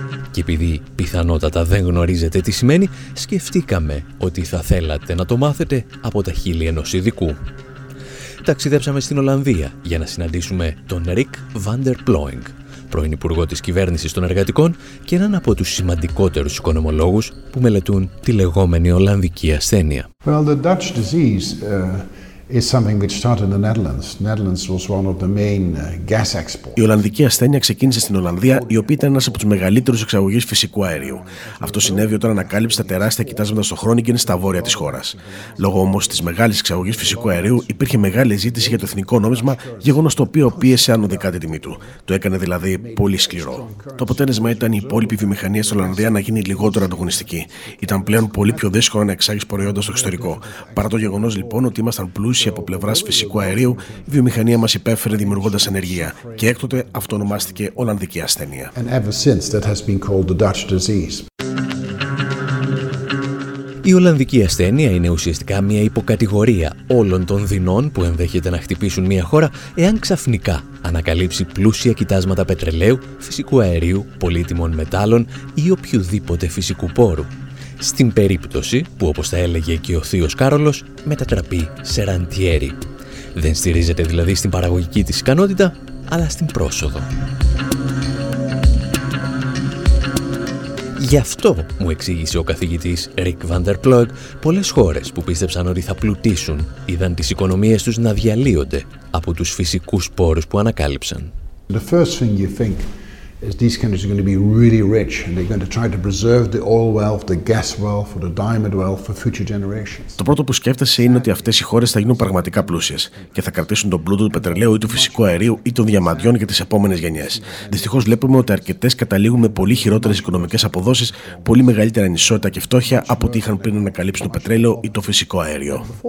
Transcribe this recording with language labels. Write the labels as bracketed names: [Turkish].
[Greek] Και επειδή πιθανότατα δεν γνωρίζετε τι σημαίνει, σκεφτήκαμε ότι θα θέλατε να το μάθετε από τα χείλη ενός ειδικού. Ταξιδέψαμε στην Ολλανδία για να συναντήσουμε τον Ρικ Βαν ντερ Πλόινγκ, πρώην υπουργό της κυβέρνησης των εργατικών και έναν από τους σημαντικότερους οικονομολόγους που μελετούν τη λεγόμενη Ολλανδική ασθένεια. [English] Well, the Dutch disease is something which started in the Netherlands. Netherlands was one of the main gas exports. [Greek] Η Ολλανδική ασθένεια ξεκίνησε στην Ολλανδία, η οποία ήταν ένας από τους μεγαλύτερους εξαγωγείς φυσικού αερίου. Αυτό συνέβη όταν ανακάλυψε τα τεράστια κοιτάσματα στο Χρόνιγκεν στα βόρεια της χώρας. Λόγω όμως της μεγάλης εξαγωγής φυσικού αερίου, υπήρχε μεγάλη ζήτηση για το εθνικό νόμισμα, γεγονός το οποίο πίεσε ανωδικά τη τιμή του. Το έκανε δηλαδή πολύ σκληρό. Το αποτέλεσμα ήταν η υπόλοιπη βιομηχανία στην Ολλανδία να γίνει λιγότερο ανταγωνιστική. Ήταν πλέον πολύ πιο δύσκολο να εξάγει προϊόντα στο εξωτερικό. Παρά το γεγονός λοιπόν ότι ήμασταν πλούσιοι από πλευράς φυσικού αερίου, η βιομηχανία μας υπέφερε δημιουργώντας ανεργία και έκτοτε αυτό ονομάστηκε Ολλανδική ασθένεια. [English] And ever since that has been called the Dutch disease. [Greek] Η Ολλανδική ασθένεια είναι ουσιαστικά μια υποκατηγορία όλων των δεινών που ενδέχεται να χτυπήσουν μια χώρα εάν ξαφνικά ανακαλύψει πλούσια κοιτάσματα πετρελαίου, φυσικού αερίου, πολύτιμων μετάλλων ή οποιοδήποτε φυσικού πόρου. Στην περίπτωση που, όπως θα έλεγε και ο θείος Κάρολος, μετατραπεί σε ραντιέρι. Δεν στηρίζεται δηλαδή στην παραγωγική της ικανότητα, αλλά στην πρόσοδο. Γι' αυτό, μου εξήγησε ο καθηγητής Rick Van der Ploeg, πολλές χώρες που πίστεψαν ότι θα πλουτίσουν είδαν τις οικονομίες τους να διαλύονται από τους φυσικούς πόρους που ανακάλυψαν. [English] The first thing you think is these countries are going to be really rich and they're going to try to preserve the oil wealth, the gas wealth, or the diamond wealth for future generations. [Greek] Το πρώτο που σκέφτεσαι είναι ότι αυτές οι χώρες θα γίνουν πραγματικά πλούσιες και θα κρατήσουν τον πλούτο του πετρελαίου ή του φυσικού αερίου ή των διαμαντιών για τις επόμενες γενιές. Δυστυχώς βλέπουμε ότι αρκετές καταλήγουν με πολύ χειρότερες οικονομικές αποδόσεις, πολύ μεγαλύτερη ανισότητα και φτώχεια από ό,τι είχαν πριν ανακαλύψουν το πετρέλαιο ή το φυσικό αέριο.